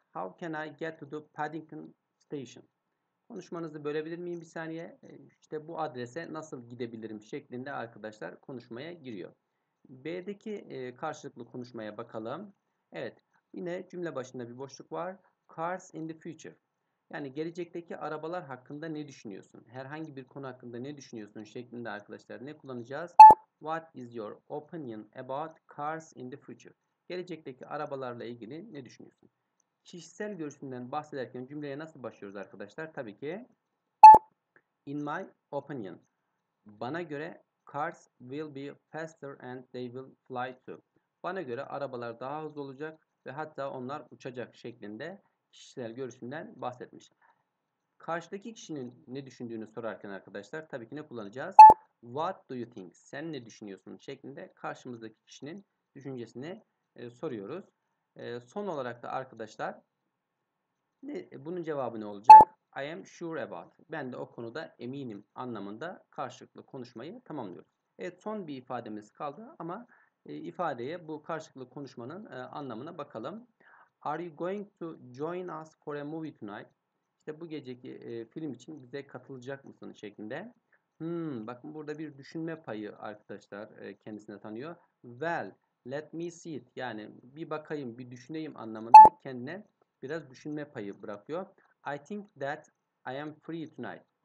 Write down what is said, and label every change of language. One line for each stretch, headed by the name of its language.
English: How can I get to the Paddington Station?
Turkish: Konuşmanızı bölebilir miyim bir saniye? İşte bu adrese nasıl gidebilirim şeklinde arkadaşlar konuşmaya giriyor. B'deki karşılıklı konuşmaya bakalım. Evet, yine cümle başında bir boşluk var.
English: Cars in the future.
Turkish: Yani gelecekteki arabalar hakkında ne düşünüyorsun? Herhangi bir konu hakkında ne düşünüyorsun şeklinde arkadaşlar ne kullanacağız?
English: What is your opinion about cars in the future?
Turkish: Gelecekteki arabalarla ilgili ne düşünüyorsun? Kişisel görüşünden bahsederken cümleye nasıl başlıyoruz arkadaşlar? Tabii ki
English: in my opinion.
Turkish: Bana göre
English: cars will be faster and they will fly too.
Turkish: Bana göre arabalar daha hızlı olacak ve hatta onlar uçacak şeklinde kişisel görüşünden bahsetmiş. Karşıdaki kişinin ne düşündüğünü sorarken arkadaşlar tabii ki ne kullanacağız?
English: What do you think?
Turkish: Sen ne düşünüyorsun? Şeklinde karşımızdaki kişinin düşüncesini soruyoruz. Son olarak da arkadaşlar bunun cevabı ne olacak?
English: I am sure about.
Turkish: Ben de o konuda eminim anlamında karşılıklı konuşmayı tamamlıyorum. Evet, son bir ifademiz kaldı ama ifadeye bu karşılıklı konuşmanın anlamına bakalım.
English: Are you going to join us for a movie tonight?
Turkish: İşte bu geceki film için bize katılacak mısın şeklinde. Bakın burada bir düşünme payı arkadaşlar kendisine tanıyor.
English: Well, let me see it.
Turkish: Yani bir bakayım, bir düşüneyim anlamında kendine biraz düşünme payı bırakıyor.
English: I think that I am free tonight.